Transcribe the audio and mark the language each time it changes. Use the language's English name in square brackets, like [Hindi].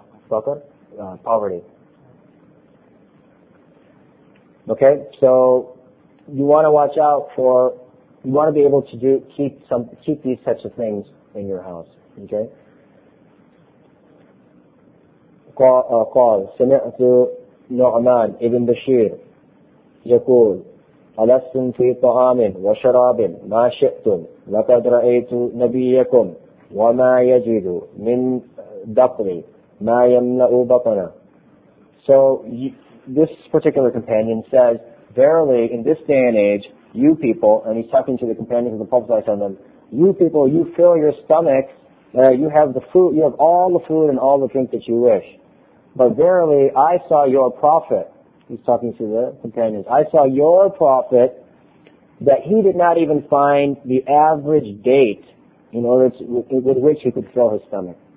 [English] Faqr? Poverty. Okay, so you want to watch out for, you want to be able to keep these types of things in your house. Okay. [Arabic] قال سمعت نعمان ابن بشير يقول ألستم في طعام وشراب ما شئتم لقد رأيت نبيكم وما يجد من دقري ما يملأ بطنه. [English] So this particular companion says, verily in this day and age, you people, and he's talking to the companions of the Prophet ﷺ, you people, you fill your stomachs. You have the food, you have all the food and all the drink that you wish. But verily, I saw your prophet, he's talking to the companions, I saw your prophet that he did not even find the average date in order to, with which he could fill his stomach.